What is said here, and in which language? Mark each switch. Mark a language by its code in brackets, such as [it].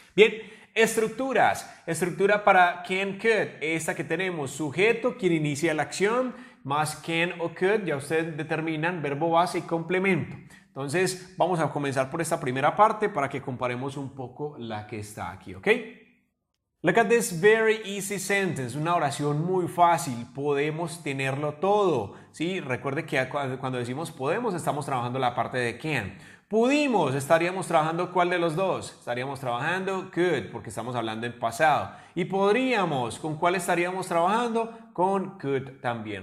[es] Bien, estructuras. Estructura para can, could. Esta que tenemos: sujeto, quien inicia la acción, más can o could, ya ustedes determinan, verbo base y complemento. Entonces, vamos a comenzar por esta primera parte para que comparemos un poco la que está aquí, ¿ok? [en] Look at this very easy sentence. [es] Una oración muy fácil. Podemos tenerlo todo. ¿Sí? Recuerde que cuando decimos podemos, estamos trabajando la parte de can. Pudimos, estaríamos trabajando ¿cuál de los dos? Estaríamos trabajando could, porque estamos hablando en pasado. Y podríamos, ¿con cuál estaríamos trabajando? Con could también.